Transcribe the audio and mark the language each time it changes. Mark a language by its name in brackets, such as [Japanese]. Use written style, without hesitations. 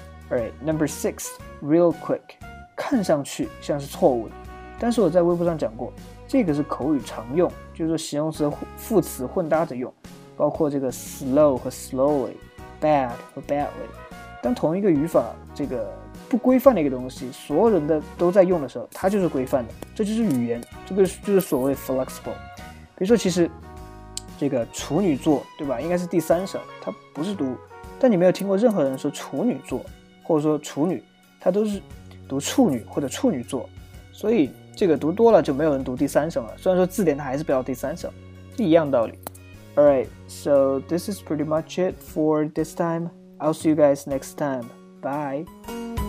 [English] Alright, number six, real quick, [Chinese] 看上去像是错误的。但是我在微博上讲过这个是口语常用就是说形容词副词混搭着用。包括这个 slow 和 slowly, bad 和 badly, 当同一个语法这个不规范的一个东西，所有人的都在用的时候，它就是规范的，这就是语言，这个就是所谓 flexible。比如说，其实这个处女座，对吧？应该是第三声，它不是读，但你没有听过任何人说处女座，或者说处女，它都是读处女或者处女座，所以这个读多了就没有人读第三声了。虽然说字典它还是标第三声，是一样道理。 [English] Alright, so this is pretty much it for this time. I'll see you guys next time. Bye!